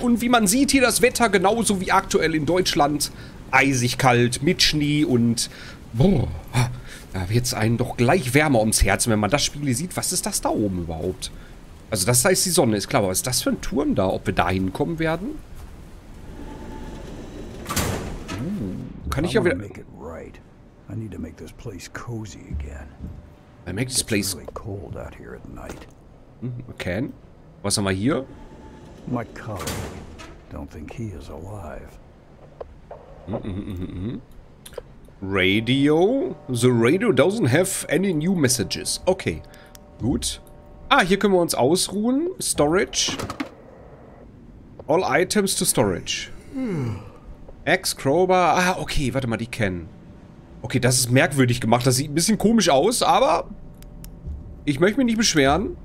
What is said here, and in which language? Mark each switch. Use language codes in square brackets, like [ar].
[de] Und wie man sieht, hier das Wetter genauso wie aktuell in Deutschland. Eisig kalt mit Schnee und... Boah, da wird es einem doch gleich wärmer ums Herz, wenn man das Spiel sieht. Was ist das da oben überhaupt? Also das heißt, die Sonne ist klar. Aber was ist das für ein Turm da? Ob wir da hinkommen werden? Kann ich ja wieder... [en] I need to make this place cozy again. I make this place really cold out here at night. Okay. [de] Was haben wir hier? [en] My colleague. Don't think he is alive. Radio? The radio doesn't have any new messages. [de] Okay. Gut. Ah, hier können wir uns ausruhen. [en] Storage. All items to storage. Axe, Crowbar. Ah, okay. [de] Warte mal, die kennen. Okay, das ist merkwürdig gemacht. Das sieht ein bisschen komisch aus, aber ich möchte mich nicht beschweren.